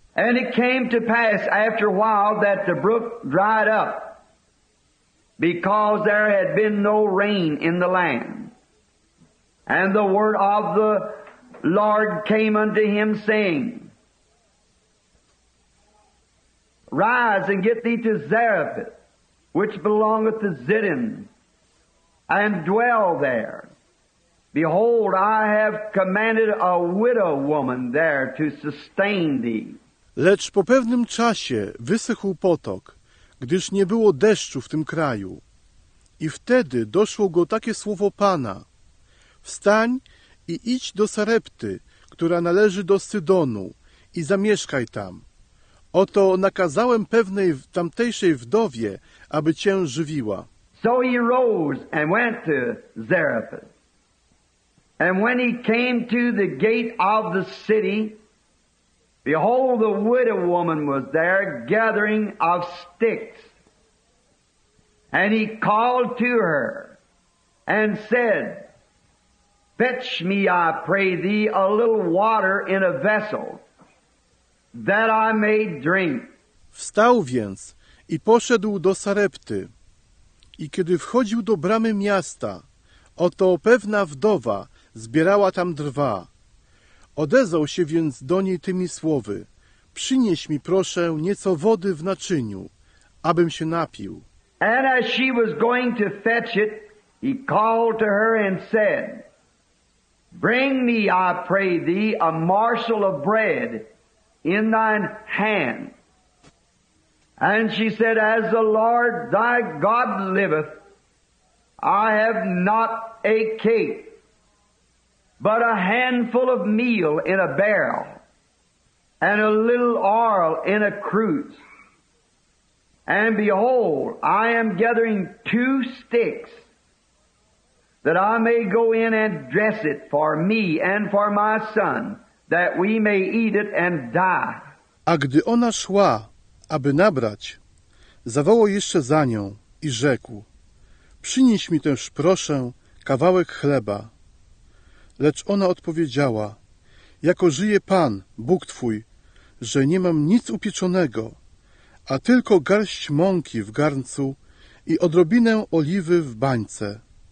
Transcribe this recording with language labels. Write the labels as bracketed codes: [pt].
[en] And it came to pass after a while that the brook dried up, because there had been no rain in the land. And the word of the Lord came unto him, saying, Rise and get thee to Zarephath, which belongeth to Zidon, and dwell there. Behold, I have commanded a widow woman there to sustain thee. [pl] Lecz po pewnym czasie wysychł potok, gdyż nie było deszczu w tym kraju. I wtedy doszło go takie słowo Pana. Wstań i idź do Sarepty, która należy do Sydonu, i zamieszkaj tam. Oto nakazałem pewnej tamtejszej wdowie, aby cię żywiła. [en] So he rose and went to Zarephath. And when he came to the gate of the city, behold, the widow woman was there gathering of sticks. And he called to her and said, Fetch me, I pray thee, a little water in a vessel, that I may drink. [pl] Wstał więc i poszedł do Sarepty. I kiedy wchodził do bramy miasta, oto pewna wdowa zbierała tam drwa. Odezwał się więc do niej tymi słowy, Przynieś mi, proszę, nieco wody w naczyniu, abym się napił. [en] And as she was going to fetch it, he called to her and said, Bring me, I pray thee, a morsel of bread, in thine hand. And she said, As the Lord thy God liveth, I have not a cake, but a handful of meal in a barrel, and a little oil in a cruse. And behold, I am gathering 2 sticks, that I may go in and dress it for me and for my son, that we may eat it and die. [pl] A gdy ona szła, aby nabrać, zawołał jeszcze za nią i rzekł: Przynieś mi też, proszę, kawałek chleba. Lecz ona odpowiedziała: Jako żyje Pan, Bóg Twój, że nie mam nic upieczonego, a tylko garść mąki w garncu i odrobinę oliwy w bańce.